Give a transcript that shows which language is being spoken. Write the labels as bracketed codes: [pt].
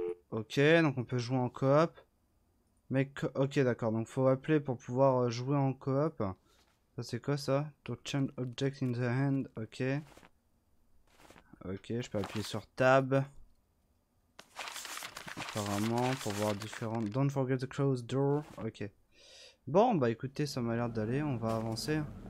[fr] Ok, donc on peut jouer en coop. Mec, ok, d'accord, donc faut appeler pour pouvoir jouer en coop. Ça, c'est quoi ça? [en] To change object in the hand, ok. [fr] Ok, je peux appuyer sur tab. Apparemment, pour voir différentes. [en] Don't forget the closed door, ok. [fr] Bon, bah écoutez, ça m'a l'air d'aller, on va avancer.